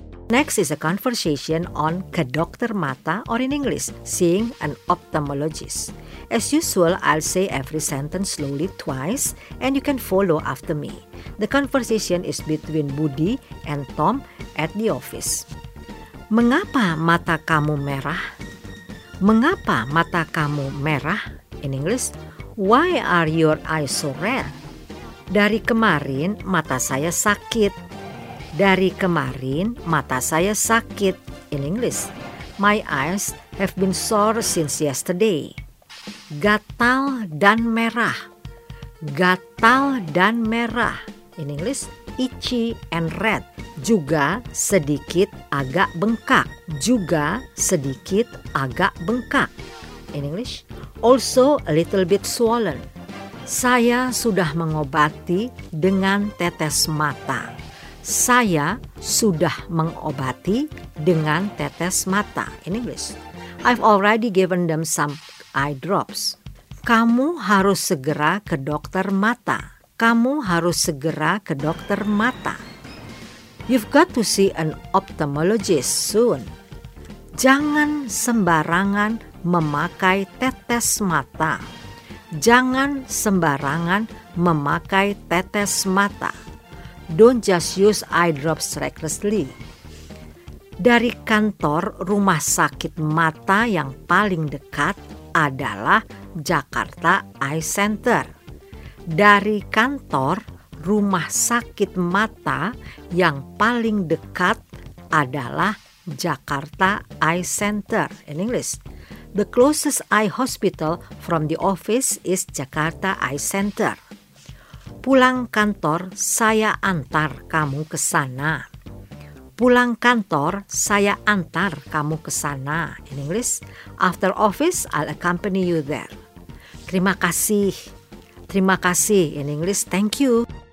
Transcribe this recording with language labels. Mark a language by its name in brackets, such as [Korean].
[English] Next is a conversation on [Indonesian] ke dokter mata, [English] or in English, seeing an ophthalmologist. As usual, I'll say every sentence slowly twice, and you can follow after me. The conversation is between Budi and Tom at the office. [Indonesian] Mengapa mata kamu merah? Mengapa mata kamu merah? [English] In English, why are your eyes so red? [Indonesian] Dari kemarin mata saya sakit. Dari kemarin mata saya sakit. [English] In English, my eyes have been sore since yesterday. [Indonesian] Gatal dan merah. Gatal dan merah. [English] In English, itchy and red. [Indonesian] Juga sedikit agak bengkak. Juga sedikit agak bengkak. [English] In English, also a little bit swollen. [Indonesian] Saya sudah mengobati dengan tetes mata. Saya sudah mengobati dengan tetes mata. [English] In English, I've already given them some eye drops. [Indonesian] Kamu harus segera ke dokter mata. Kamu harus segera ke dokter mata. [English] You've got to see an ophthalmologist soon. [Indonesian] Jangan sembarangan memakai tetes mata. Jangan sembarangan memakai tetes mata. [English] Don't just use eye drops recklessly. [Indonesian] Dari kantor rumah sakit mata yang paling dekat adalah Jakarta Eye Center. Dari kantor rumah sakit mata yang paling dekat adalah Jakarta Eye Center. [English] In English, the closest eye hospital from the office is Jakarta Eye Center. [Indonesian] Pulang kantor, saya antar kamu ke sana. Pulang kantor, saya antar kamu ke sana. [English] In English, after office, I'll accompany you there. [Indonesian] Terima kasih. Terima kasih. [English] In English, thank you.